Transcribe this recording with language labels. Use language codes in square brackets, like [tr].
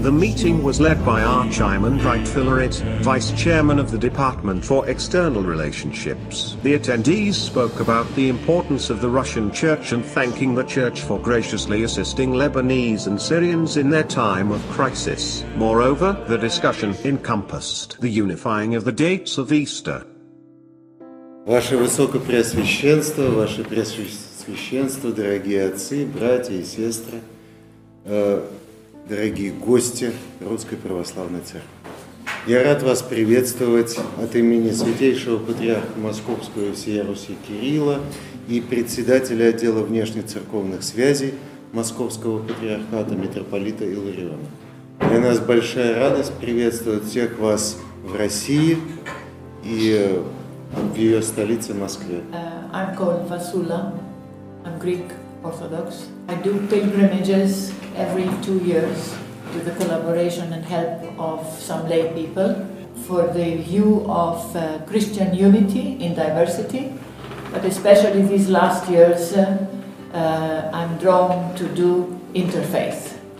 [en] The meeting was led by Archimandrite Filaret, vice chairman of the Department for External Relationships. The attendees spoke about the importance of the Russian Church and thanking the Church for graciously assisting Lebanese and Syrians in their time of crisis. Moreover, the discussion encompassed the unifying of the dates of Easter. [ru] Ваше Высокопреосвященство, Ваше Преосвященство, дорогие отцы, братья и сестры, дорогие гости Русской Православной Церкви. Я рад вас приветствовать от имени Святейшего Патриарха Московского и всея Руси Кирилла и председателя отдела внешнецерковных связей Московского Патриархата митрополита Илариона. Для нас большая радость приветствовать всех вас в России и в ее столице Москве. [en] I'm called Vasula. I'm Greek Orthodox. I do pilgrimages every 2 years with the collaboration and help of some lay people for the view of Christian unity in diversity. But especially these last years, I'm drawn to do interfaith.